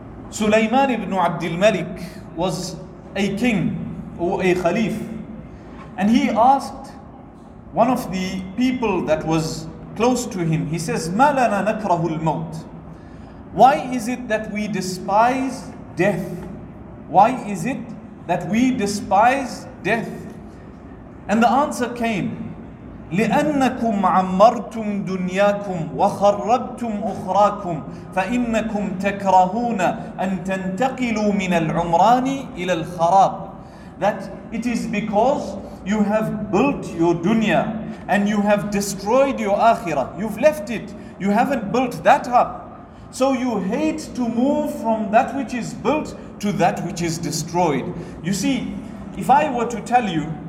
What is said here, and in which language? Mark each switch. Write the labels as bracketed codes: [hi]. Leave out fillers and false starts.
[en] Sulaiman ibn Abdul Malik was a king or a khalif, and he asked one of the people that was close to him, he says, [ar] "Ma lana nakrahu al-maut?" [en] Why is it that we despise death? Why is it that we despise death? And the answer came, [ar] لِأَنَّكُمْ عَمَّرْتُمْ دُنْيَاكُمْ وَخَرَّبْتُمْ أُخْرَاكُمْ فَإِنَّكُمْ تَكْرَهُونَ أَن تَنْتَقِلُوا مِنَ الْعُمْرَانِ إِلَى الْخَرَابِ. [en] That it is because you have built your dunya and you have destroyed your akhirah. You've left it. You haven't built that up. So you hate to move from that which is built to that which is destroyed. You see, if I were to tell you